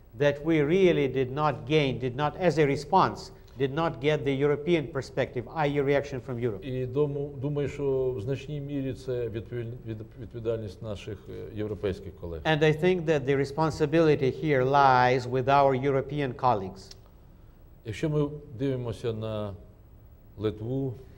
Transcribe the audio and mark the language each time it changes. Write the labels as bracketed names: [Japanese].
[English] That we really did not, as a response, did not get the European perspective, i.e. reaction from Europe. [Ukrainian] І думаю, що в значній мірі це відповідальність наших європейських колег. [English] And I think that the responsibility here lies with our European colleagues. [Ukrainian] Якщо ми дивимося на Литву,